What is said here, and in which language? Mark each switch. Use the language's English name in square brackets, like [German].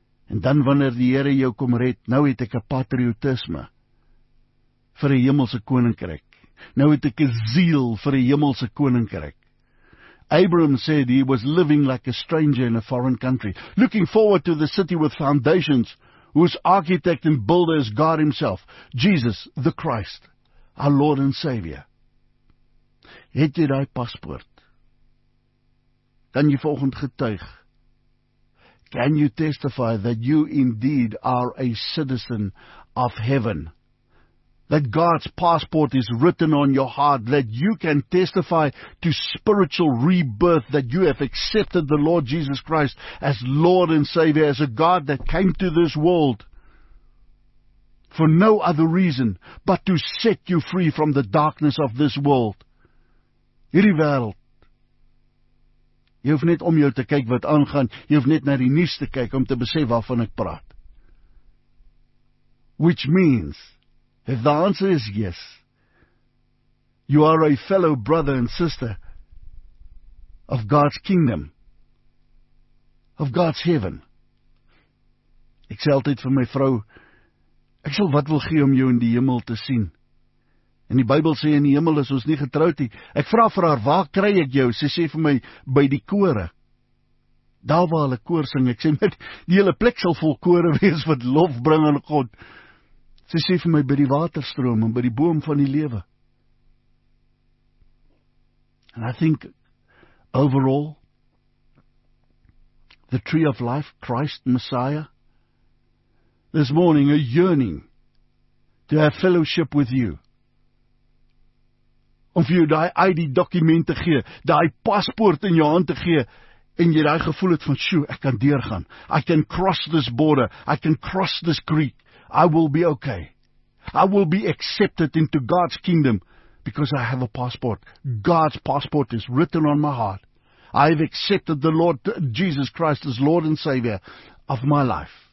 [Afrikaans] En dan wanneer die Here jou kom red, nou het ek 'n patriotisme vir 'n hemelse koninkryk. Nou het ek 'n zeel vir 'n hemelse koninkryk. [English] Abram said he was living like a stranger in a foreign country, looking forward to the city with foundations, whose architect and builder is God Himself, Jesus the Christ, our Lord and Savior. [Afrikaans] Het jy daai paspoort? Kan jy volgend getuig? [English] Can you testify that you indeed are a citizen of heaven? That God's passport is written on your heart, that you can testify to spiritual rebirth, that you have accepted the Lord Jesus Christ as Lord and Savior, as a God that came to this world for no other reason but to set you free from the darkness of this world. [Afrikaans] Hierdie wêreld. Jy hoef net om jou te kyk wat aangaan, jy hoef net na die nuus te kyk om te besef waarvan ek praat. [English] Which means, if the answer is yes, you are a fellow brother and sister of God's kingdom, of God's heaven. [Afrikaans] Ek sê altyd vir my vrou, ek sal wat wil gee om jou in die hemel te sien. En die Bybel sê in die hemel is ons nie getroud nie. Ek vra vir haar, waar kry ek jou? Sy sê vir my, by die kore. Daar waar hulle koor sing, ek sê, met die hele plek sal vol kore wees wat lof bring aan God. Sy sê vir my, by die waterstroom en by die boom van die lewe. [English] And I think, overall, the tree of life, Christ, Messiah, this morning a yearning to have fellowship with you. [Afrikaans] Om vir jou die ID document te gee, die paspoort in jou hand te gee, en jy die gevoel het van, shoo, ek kan deurgaan. [English] I can cross this border, I can cross this creek, I will be okay. I will be accepted into God's kingdom, because I have a passport. God's passport is written on my heart. I have accepted the Lord Jesus Christ as Lord and Savior of my life.